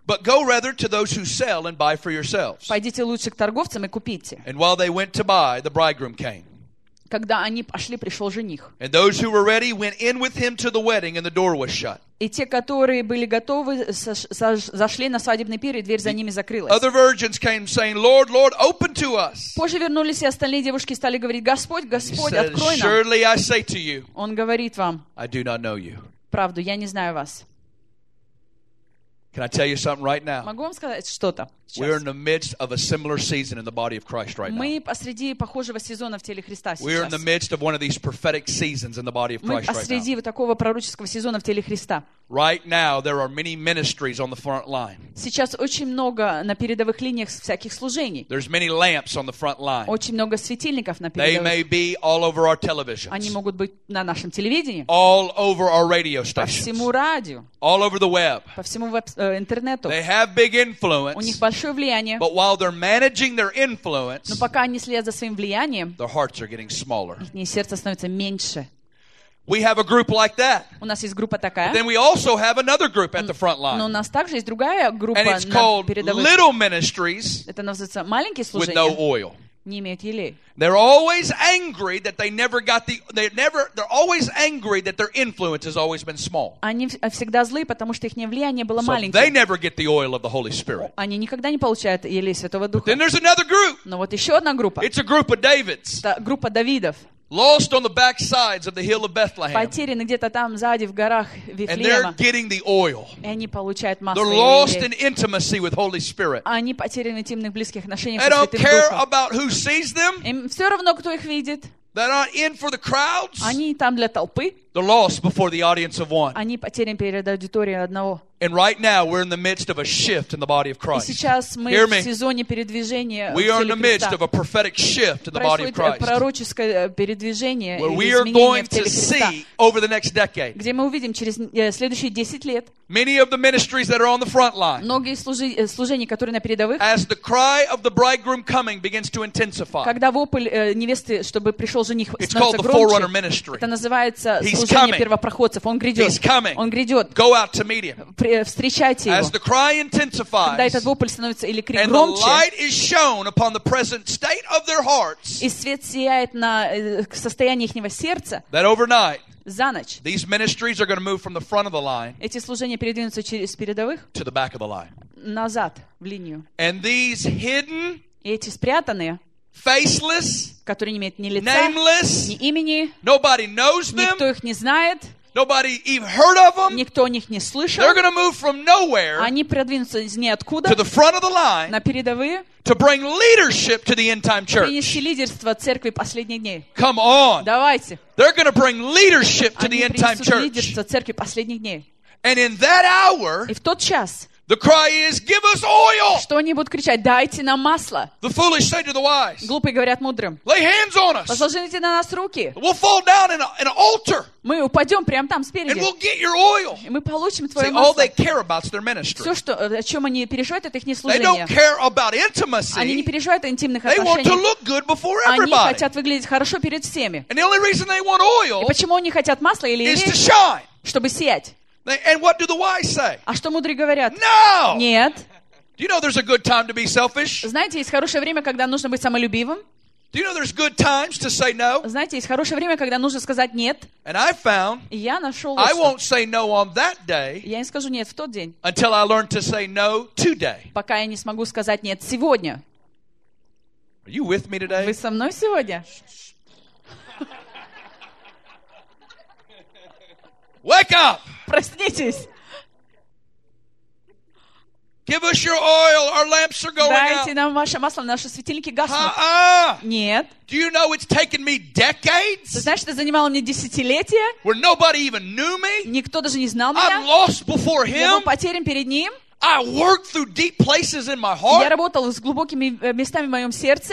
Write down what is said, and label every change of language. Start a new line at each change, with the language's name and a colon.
English: But go rather to those who sell and buy for yourselves.
Russian: Пойдите лучше к торговцам и купите.
English: And while they went to buy, the bridegroom came.
Russian: Когда они пошли, пришел жених.
English: And those who were ready went in with him to the wedding, and the door was shut.
Russian: И те, которые были готовы, зашли на свадебный пир, и дверь за ними закрылась.
English: Other virgins came saying, Lord, Lord, open to us.
Russian: Позже вернулись, и остальные девушки стали говорить, Господь, Господь,
English: said,
Russian: открой нам.
English: Surely I say to you,
Russian: он говорит вам,
English: I do not know you.
Russian: Правду, я не знаю вас.
English: Can I tell you something right now?
Russian: Могу вам сказать что-то сейчас.
English: We're in the midst of a similar season in the body of Christ right now.
Russian: Мы посреди похожего сезона в теле Христа сейчас.
English: We're in the midst of one of these prophetic seasons in the body of Christ right now.
Russian: Мы посреди вот такого пророческого сезона в теле Христа.
English: Right now, there are many ministries on the front line.
Russian: Сейчас очень много на передовых линиях всяких служений.
English: There's many lamps on the front line.
Russian: Очень много светильников на передовых.
English: They may be all over our televisions.
Russian: Они могут быть на нашем телевидении.
English: All over our radio stations.
Russian: По всему радио.
English: All over the web.
Russian: По всему интернету.
English: They have big influence.
Russian: У них большое влияние.
English: But while they're managing their influence,
Russian: но пока они следят за своим влиянием,
English: their hearts are getting smaller.
Russian: Их сердце становится меньше.
English: We have a group like that.
Russian: У нас есть группа такая.
English: But then we also have another group at the front line.
Russian: Но у нас также есть другая группа.
English: And it's called little ministries.
Russian: Это называется маленькие служения.
English: With no oil.
Russian: Не имеют елей.
English: They're always angry that they never got the. They're always angry that their influence has always been small.
Russian: Они всегда злые, потому что их влияние было маленьким.
English: So they never get the oil of the Holy Spirit.
Russian: Они никогда не получают елей Святого Духа.
English: But then there's another group.
Russian: Но вот еще одна группа.
English: It's a group of Davids.
Russian: Это группа Давидов.
English: Lost on the backsides of the hill of Bethlehem.
Russian: Потеряны где-то там сзади в горах Вифлеема.
English: And they're getting the oil.
Russian: И они получают масло.
English: They're lost in intimacy with Holy Spirit.
Russian: Они потеряны в интимных близких отношениях со Святым Духом.
English: They don't care about who sees them.
Russian: Им все равно, кто их видит.
English: They're not in for the crowds.
Russian: Они там для толпы.
English: They're lost before the audience of one.
Russian: Они потеряны перед аудиторией одного.
English: And right now we're in the midst of a shift in the body of Christ.
Russian: Сейчас мы в сезоне передвижения.
English: We are in the midst of a prophetic shift in the body of Christ.
Russian: Пророческое передвижение.
English: Where we are going to see over the next decade.
Russian: Где мы увидим через следующие 10 лет.
English: Many of the ministries that are on the front line.
Russian: Многие служения, которые на передовых.
English: As the cry of the bridegroom coming begins to intensify.
Russian: Когда вопль невесты, чтобы пришел жених, становится громче.
English: It's called the forerunner ministry.
Russian: Это называется служение первопроходцев. Он грядет.
English: He's coming.
Russian: Он грядет.
English: Go out to meet him.
Russian: Встречайте его.
English: As the cry intensifies,
Russian: когда этот вопль становится или крик
English: and
Russian: громче,
English: the light is shown upon the present state of their hearts,
Russian: и свет сияет на состояние ихнего сердца,
English: that overnight,
Russian: за ночь,
English: these ministries are going to move from the front of the line,
Russian: эти служения передвинутся через передовых,
English: to the back of the line,
Russian: назад, в линию.
English: And these hidden,
Russian: и эти спрятанные,
English: faceless,
Russian: которые не имеют ни лица,
English: nameless,
Russian: ни имени,
English: nobody knows them,
Russian: никто их не знает,
English: nobody even heard of them.
Russian: Никто о них не слышал.
English: They're going to move from nowhere.
Russian: Они продвинутся из ниоткуда.
English: To the front of the line.
Russian: На передовые.
English: To bring leadership to the end time church.
Russian: Принести лидерство церкви последних дней.
English: Come on.
Russian: Давайте.
English: They're going to bring leadership to the end time church.
Russian: Они принесут лидерство церкви последних дней.
English: And in that hour.
Russian: И в тот час.
English: The cry is, give us oil.
Russian: Что они будут кричать? Дайте нам масло.
English: The foolish say to the wise.
Russian: Глупые говорят мудрым.
English: Lay hands on us.
Russian: Возложите на нас руки.
English: We'll fall down in an altar.
Russian: Мы упадем прямо там, спереди.
English: And we'll get your oil.
Russian: И мы получим твое
English: See,
Russian: масло.
English: All they care about is their ministry.
Russian: Все, что, о чем они переживают, это их неслужение.
English: They don't care about intimacy.
Russian: Они не переживают интимных
English: they
Russian: отношений.
English: They want to look good before everybody.
Russian: Они хотят выглядеть хорошо перед всеми.
English: And the only reason they want oil
Russian: и почему они хотят масла или
English: is to shine.
Russian: Чтобы сиять.
English: And what do the wise say?
Russian: А что мудрые говорят?
English: No!
Russian: Нет.
English: Do you know there's a good time to be selfish?
Russian: Знаете, есть хорошее время, когда нужно быть самолюбивым.
English: Do you know there's good times to say no?
Russian: Знаете, есть хорошее время, когда нужно сказать нет.
English: And I found
Russian: я нашел,
English: I won't say no on that day.
Russian: Я не скажу нет в тот день.
English: Until I learn to say no today.
Russian: Пока я не смогу сказать нет сегодня.
English: Are you with me today?
Russian: Вы со мной сегодня?
English: Wake up!
Russian: Проснитесь.
English: Give us your oil, our lamps are going out.
Russian: Дайте нам ваше масло, наши светильники гаснут. Нет.
English: Do you know it's taken me decades?
Russian: Знаешь, это занимало мне десятилетия?
English: Where nobody even knew me?
Russian: Никто даже не знал меня.
English: I'm lost before him.
Russian: Я был потерян перед ним.
English: I worked through deep places in my heart.
Russian: Я работал с глубокими местами в моем сердце.